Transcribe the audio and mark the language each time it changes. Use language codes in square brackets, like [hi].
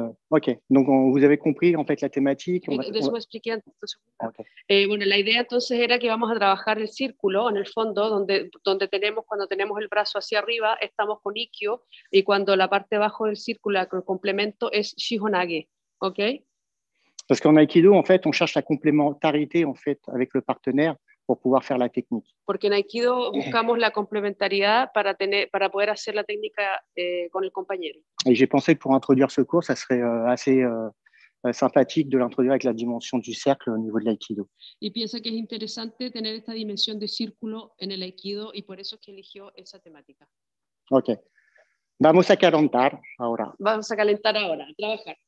[fr] Ok, donc vous avez compris en fait la thématique. [es] Déjame expliquer antes. Ok. La idea entonces era que vamos a trabajar el círculo en el fondo, donde tenemos, cuando tenemos el brazo hacia arriba, estamos con Ikkyo, y cuando la parte de abajo del círculo, el complemento, es Shihonage. ¿Ok? [fr] Parce qu'en aïkido, en fait, on cherche la complémentarité en fait avec le partenaire pour pouvoir faire la technique. [es] Porque en Aikido buscamos la complementariedad para poder hacer la técnica con el compañero. [fr] Et j'ai pensé que pour introduire ce cours, ça serait assez sympathique de l'introduire avec la dimension du cercle au niveau de l'aïkido. [es] Y piensa que es interesante tener esta dimensión de círculo en el Aikido y por eso es que eligió esa temática. Ok. Vamos a calentar ahora. Vamos a calentar ahora, a trabajar.